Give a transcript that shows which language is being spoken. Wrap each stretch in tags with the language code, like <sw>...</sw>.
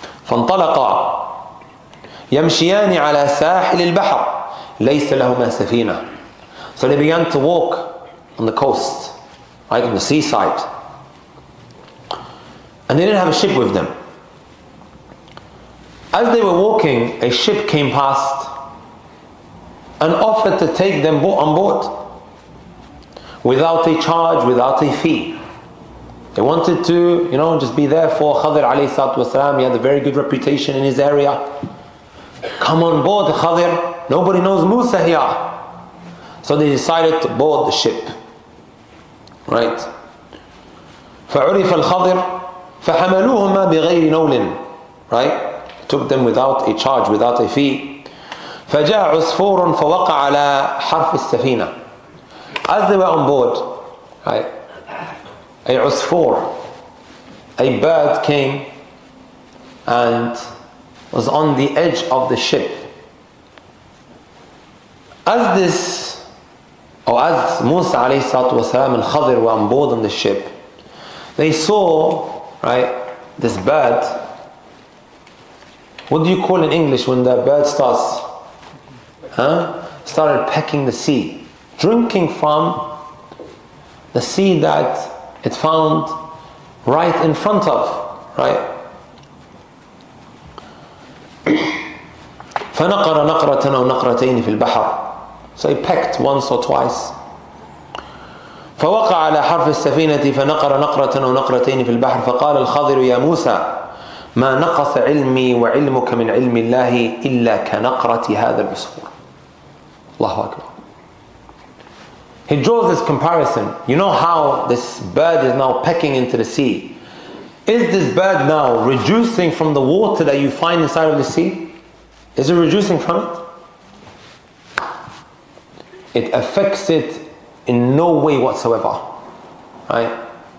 <ar>فانطلقا يمشيان على ساحل البحر ليس لهما سفينة.</ar> <en>So they began to walk on the coast, right, on the seaside. And they didn't have a ship with them. As they were walking, a ship came past and offered to take them on board without a charge, without a fee. They wanted to, you know, just be there for Khadir alayhi salatu wasalam. He had a very good reputation in his area. Come on board, Khadir. Nobody knows Musa here. So they decided to board the ship. Right?</en> <ar>فَعُرِفَ الْخَضِرِ فحملوهما بغير نول.</ar> <en>Right? Took them without a charge, without a fee.</en> <ar>فجاء عصفور فوقع على حرف السفينة.</ar> <en>As they were on board, right, a عصفور, a bird came and was on the edge of the ship. As this, or as Musa alayhi salatu wasalam and Khadir were on board on the ship, they saw, right, this bird. What do you call in English when the bird starts, started pecking the sea, drinking from the sea that it found right in front of, right?</en> <ar>فَنَقَرَ نَقْرَةً أَوْ نَقْرَتَيْنِ فِي الْبَحَرِ.</ar> <en>So he pecked once or twice.</en> <ar>فوقع على حرف السفينة فنقر نقرة أو نقرتين في البحر فقال الخضر يا موسى ما نقص علمي وعلمك من علم الله إلا كنقرة هذا العصفور. الله أكبر.</ar> <en>He draws this comparison. You know how this bird is now pecking into the sea. Is this bird now reducing from the water that you find inside of the sea? Is it reducing from it? It affects it in no way whatsoever. Right?</en>